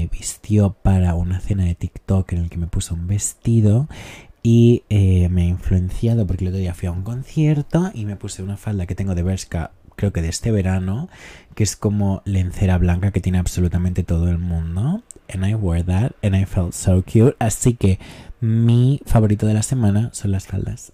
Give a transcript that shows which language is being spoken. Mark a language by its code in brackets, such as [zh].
[es] vistió para una cena de TikTok en el que me puso un vestido y me ha influenciado porque el otro día fui a un concierto y me puse una falda que tengo de Bershka, creo que de este verano, que es como lencera blanca que tiene absolutamente todo el mundo. [en] And I wore that and I felt so cute. [es] Así que mi favorito de la semana son las faldas.